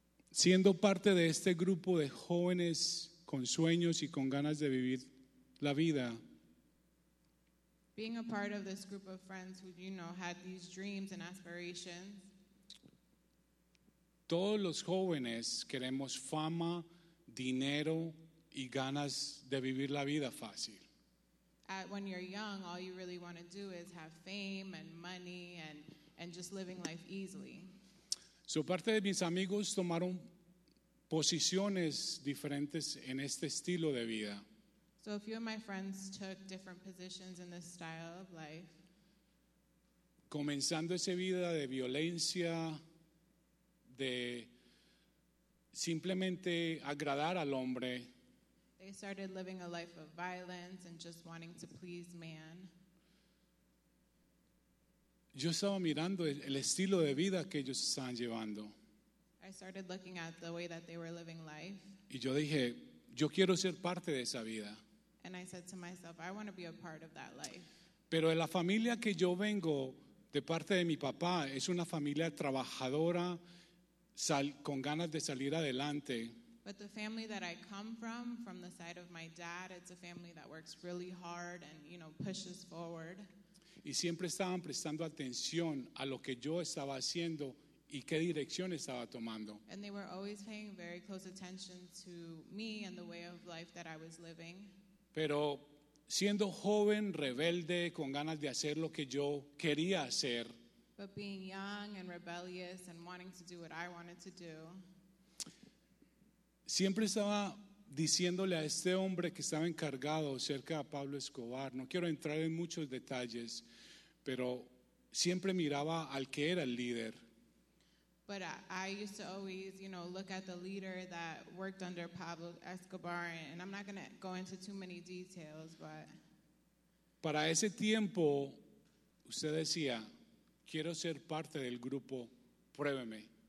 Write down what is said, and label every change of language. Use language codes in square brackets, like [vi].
[es] Siendo parte de este grupo de jóvenes con sueños y con ganas de vivir la vida. [en] Being a part of this group of friends who, you know, had these dreams and aspirations. [es] Todos los jóvenes queremos fama, dinero y ganas de vivir la vida fácil. [en] When you're young, all you really want to do is have fame and money and just living life easily. [es] So parte de mis amigos tomaron posiciones diferentes en este estilo de vida. [en] So a few of my friends took different positions in this style of life. [es] Comenzando esa vida de violencia, de simplemente agradar al hombre. [en] They started living a life of violence and just wanting to please man. [es] Yo estaba mirando el estilo de vida que ellos estaban llevando. [en] I started looking at the way that they were living life. [es] Y yo dije, yo quiero ser parte de esa vida. [en] And I said to myself, I want to be a part of that life. [es] Pero la familia que yo vengo de parte de mi papá es una familia trabajadora, con ganas de salir adelante. [en] But the family that I come from the side of my dad, it's a family that works really hard and, you know, pushes forward. [es] Y siempre estaban prestando atención a lo que yo estaba haciendo y qué dirección estaba tomando. [en] And they were always paying very close attention to me and the way of life that I was living. [es] Pero siendo joven, rebelde, con ganas de hacer lo que yo quería hacer. [en] But being young and rebellious and wanting to do what I wanted to do. [es] Siempre estaba diciéndole a este hombre que estaba encargado cerca de Pablo Escobar, no quiero entrar en muchos detalles, pero siempre miraba al que era el líder. [en] But I used to always, you know, look at the leader that worked under Pablo Escobar, and I'm not going to go into too many details, but... [es] Para ese tiempo, usted decía, quiero ser parte del grupo, pruébeme.